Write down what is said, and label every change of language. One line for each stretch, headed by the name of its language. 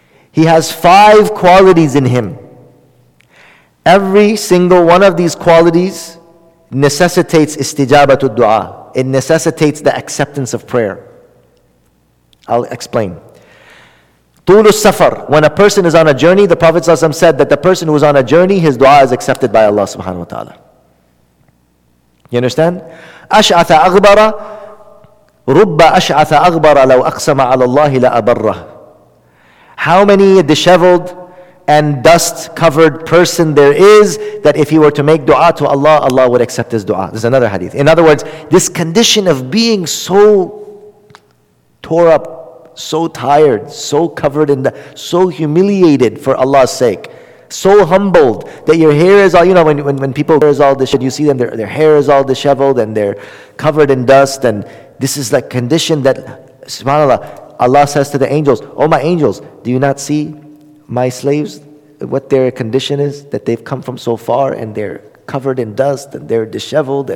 English: He has five qualities in him. Every single one of these qualities necessitates istijabatu du'a. It necessitates the acceptance of prayer. I'll explain.
Arabic: Tulu safar.
English: When a person is on a journey, the Prophet ﷺ said that the person who is on a journey, his du'a is accepted by Allah subhanahu wa ta'ala. You understand?
Arabic: أشعث أغبر رب أشعث أغبر لو أقسم على الله لأبره.
English: How many disheveled and dust-covered person there is that if he were to make dua to Allah, Allah would accept his dua. This is another hadith. In other words, this condition of being so tore up, so tired, so covered in the, so humiliated for Allah's sake, so humbled that your hair is all, you know, when people are all disheveled, you see them, their hair is all disheveled and they're covered in dust, and this is like condition that, subhanAllah, Allah says to the angels, oh my angels, do you not see my slaves, what their condition is, that they've come from so far and they're covered in dust and they're disheveled?